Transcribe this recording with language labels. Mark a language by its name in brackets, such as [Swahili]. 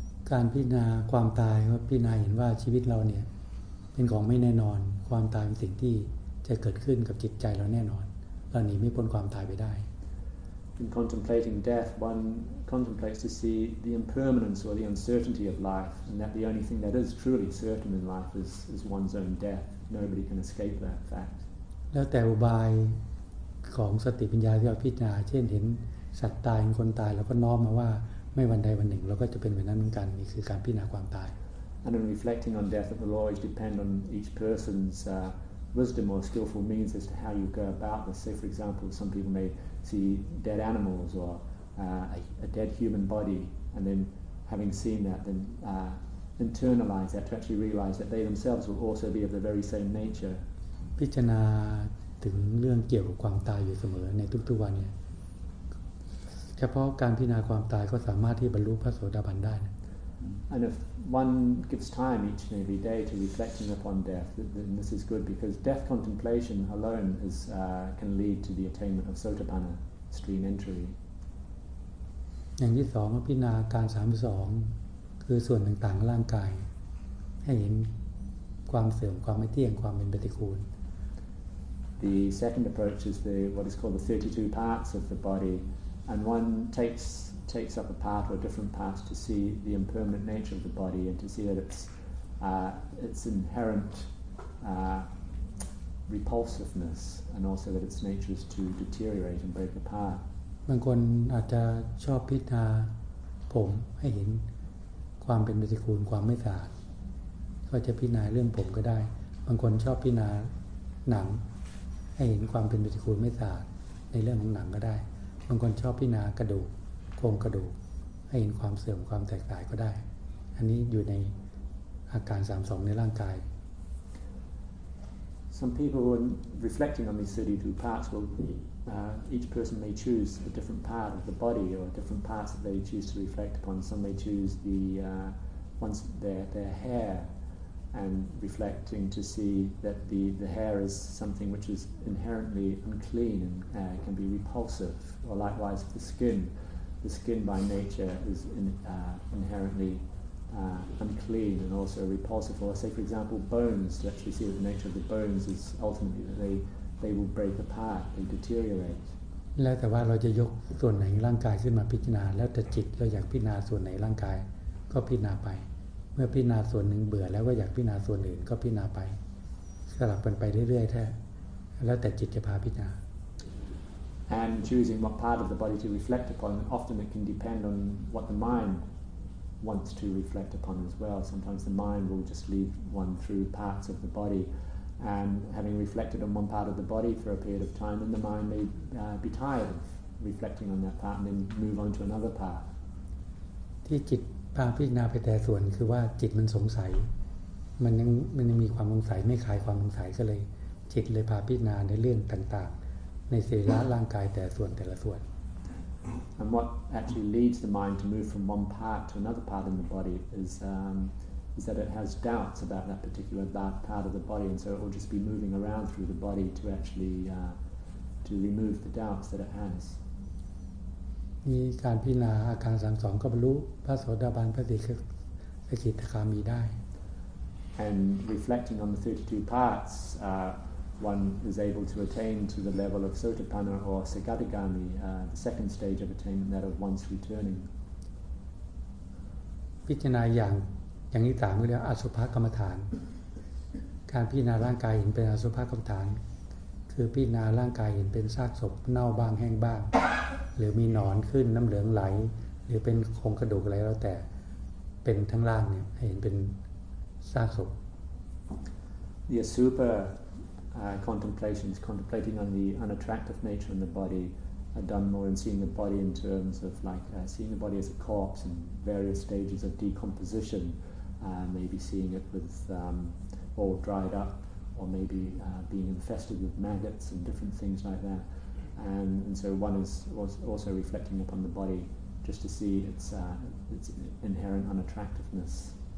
[Thai] การพิจารณาความตายก็พิจารณาเห็นว่าชีวิตเราเนี่ยเป็นของไม่แน่นอนความตายเป็นสิ่งที่จะเกิดขึ้นกับจิตใจเราแน่นอนเราหนีไม่พ้นความตายไปได้ [English] In contemplating death one contemplates to see the impermanence or the uncertainty of life and that the only thing that is truly certain in life is one's own death nobody can escape that fact [Thai] แล้วแต่อุบายของสติปัญญาที่เราพิจารณาเช่นเห็นสัตว์ตายคนตายแล้วก็น้อมมาว่าไม่วันใดวันหนึ่งเราก็จะเป็นแบบนั้นเหมือนกันนี่คือการพิจารณาความตาย [English] And in reflecting on death it will always depend on each person's wisdom or skillful means as to how you go about this say for example some people may see dead animals or a dead human body and then having seen that then internalize that, to actually realize that they themselves will also be of the very same nature. [Thai] พิจารณาถึงเรื่องเกี่ยวกับความตายอยู่เสมอในทุกๆวันเนี่ยเฉพาะการพิจารณาความตายก็สามารถที่บรรลุพระโสดาบันได้ [English] And if one gives time each and every day to reflecting upon death, then this is good because death contemplation alone is can lead to the attainment of Sotapanna stream entry. [Thai] อย่างที่สองก็พิจารณาการ32คือส่วนต่างๆร่างกายให้เห็นความเสื่อมความไม่เที่ยงความเป็นปฏิกูล [English] The second approach is the what is called the 32 parts of the body and one takes up a part or different parts to see the impermanent nature of the body and to see that its inherent repulsiveness and also that its nature is to deteriorate and break apart [Thai] บางคนอาจจะชอบพิจารณาผมให้เห็นความเป็นปฏิกูลความไม่สะอาดก็จะพิจารณาเรื่องผมก็ได้บางคนชอบพิจารณาหนังให้เห็นความเป็นปฏิกูลไม่สะอาดในเรื่องของหนังก็ได้บางคนชอบพิจารณากระดูกโครงกระดูกให้เห็นความเสื่อมความแตกต่างก็ได้อันนี้อยู่ในอาการ32ในร่างกาย [English] Some people when reflecting on these 32 parts will each person may choose a different part of the body or different parts that they choose to reflect upon. Some may choose the their hair and reflecting to see that the hair is something which is inherently unclean and can be repulsive. Or likewise the skin by nature is inherently unclean and also repulsive. Or say, for example, bones, to actually see the nature of the bones is ultimately that they will break apart, they deteriorate. [Thai] แล้วแต่ว่าเราจะยกส่วนไหนร่างกายขึ้นมาพิจารณาแล้วแต่จิตเราอยากพิจารณาส่วนไหนร่างกายก็พิจารณาไปเมื่อพิจารณาส่วนหนึ่งเบื่อแล้วก็อยากพิจารณาส่วนอื่นก็พิจารณาไปสลับกันไปเรื่อยๆแท้แล้วแต่จิตจะพาพิจารณา [English] And choosing what part of the body to reflect upon, often it can depend on what the mindwants to reflect upon as well. Sometimes the mind will just lead one through parts of the body. And having reflected on one part of the body for a period of time, then the mind may be tired of reflecting on that part and then move on to another part. [Thai] ที่จิตพาพิจารณาไปแต่ส่วนคือว่าจิตมันสงสัยมันยังมีความสงสัยไม่คลายความสงสัยก็เลยจิตเลยพาพิจารณาในเรื่องต่างๆในสรีระร่างกายแต่ส่วนแต่ละส่วน [English] And what actually leads the mind to move from one part to another part in the body is that it has doubts about that particular part of the body, and so it will just be moving around through the body to actually to remove the doubts that it has. [Thai] นี่การพิจารณาอาการ32ก็บรรลุพระโสดาบันพระสกิทาคามีได้ [English] And reflecting on the 32 parts, one is able to attain to the level of Sotapanna or Sakadagami, the second stage of attainment, that of one's returning. [Thai] พิจารณาอย่างที่สามเรียกว่าอสุภกรรมฐานการพิจารณาร่างกายเห็นเป็นอสุภกรรมฐานคือพิจารณาร่างกายเห็นเป็นซากศพเน่าบางแห้งบ้างหรือมีหนอนขึ้นน้ำเหลืองไหลหรือเป็นโครงกระดูกอะไรแล้วแต่เป็นทั้งล่างเนี่ยเห็นเป็นซากศพ [English] The Asupa contemplation is contemplating on the unattractive nature in the body are done more in seeing the body in terms of like seeing the body as a corpse and various stages of decomposition maybe seeing it with all dried up or maybe being infested with maggots and different things like that and so one is also reflecting upon the body just to see its inherent unattractiveness